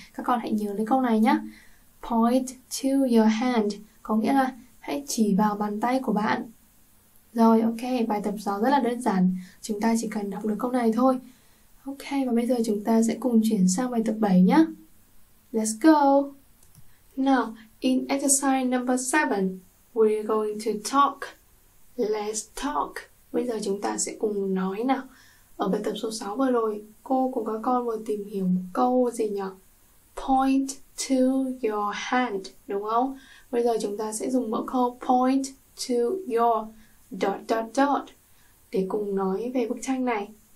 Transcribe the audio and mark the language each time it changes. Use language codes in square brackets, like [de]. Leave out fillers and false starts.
[vi] Các con hãy nhớ lấy câu này nhé. [en] Point to your hand. [vi] Có nghĩa là hãy chỉ vào bàn tay của bạn. Rồi, ok, bài tập 6 rất là đơn giản. Chúng ta chỉ cần đọc được câu này thôi. Ok, và bây giờ chúng ta sẽ cùng chuyển sang bài tập 7 nhé. [en] Let's go. Now, in exercise number 7, we're going to talk. Let's talk. [vi] Bây giờ chúng ta sẽ cùng nói nào. Ở bài tập số 6 vừa rồi, cô cùng các con vừa tìm hiểu câu gì nhỉ? [en] Point to your hand, [vi] đúng không? Bây giờ chúng ta sẽ dùng mẫu câu [en] point to your dot dot dot [vi] để cùng nói về bức tranh này.